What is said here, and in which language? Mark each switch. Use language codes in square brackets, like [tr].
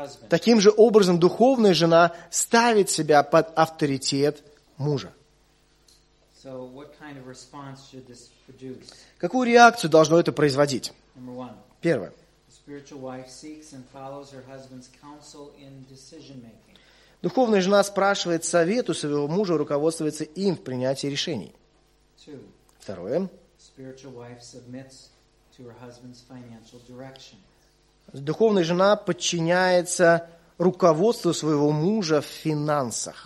[ru] Таким же образом духовная жена ставит себя под авторитет мужа. [en] So what kind of response should this produce? [ru] Какую реакцию должно это производить? [en] Number one. [ru] Первое. [en] The spiritual wife seeks and follows her husband's counsel in decision making. [ru] Духовная жена спрашивает совет у своего мужа, руководствуется им в принятии решений. [en] Two. [ru] Второе. [en] The spiritual wife submits to her husband's financial direction. [ru] Духовная жена подчиняется руководству своего мужа в финансах.